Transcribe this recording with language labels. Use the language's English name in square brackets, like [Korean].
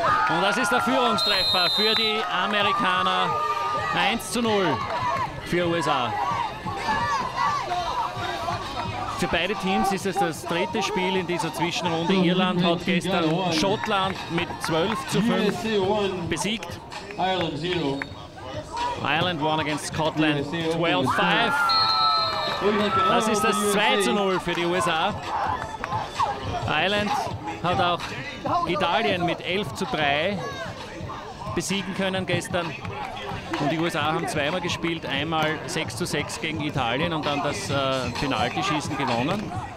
[German] Und das ist der Führungstreffer für die Amerikaner. 1-0 für USA. Für beide Teams ist es das dritte Spiel in dieser Zwischenrunde. Irland hat gestern Schottland mit 12-5 besiegt. [English] Ireland 0. Ireland won against Scotland 12-5. [German] Das ist das 2-0 für die USA. Ireland hat auch Italien mit 11-3 besiegen können gestern. Und die USA haben zweimal gespielt, einmal 6-6 gegen Italien und dann das Penaltyschießen gewonnen.